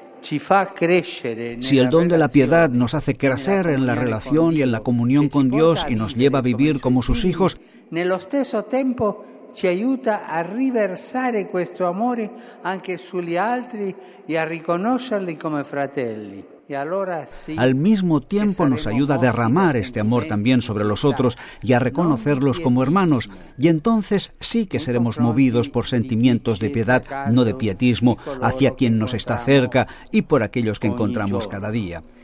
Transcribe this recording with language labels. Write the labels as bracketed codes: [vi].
[es] Si el don de la piedad nos hace crecer en la relación y en la comunión con Dios y nos lleva a vivir como sus hijos, [it] nello stesso tempo ci aiuta a riversare questo amore anche sugli altri e a riconoscerli come fratelli. [es] Al mismo tiempo nos ayuda a derramar este amor también sobre los otros y a reconocerlos como hermanos, y entonces sí que seremos movidos por sentimientos de piedad, no de pietismo, hacia quien nos está cerca y por aquellos que encontramos cada día.